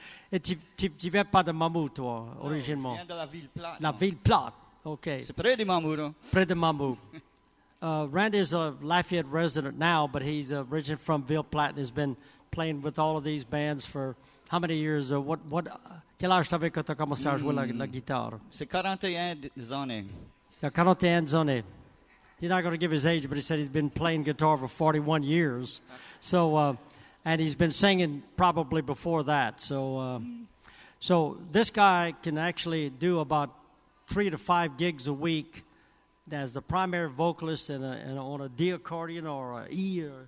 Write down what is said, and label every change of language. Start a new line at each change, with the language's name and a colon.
French: Et tu viens pas de Mamou, toi, originellement. Je viens de la ville plate. La ville plate, OK. C'est près de Mamou, non? Près de Mamou.
English: Randy is a Lafayette resident now, but he's originally from Ville Platte and has been playing with all of these bands for how many years?
French: Quel âge t'avais quand t'as commencé à jouer la guitare? C'est 41 années. 41 années.
English: He's not going to give his age, but he said he's been playing guitar for 41 years. So, and he's been singing probably before that. So this guy can actually do about 3 to 5 gigs a week as the primary vocalist on a D accordion or an E.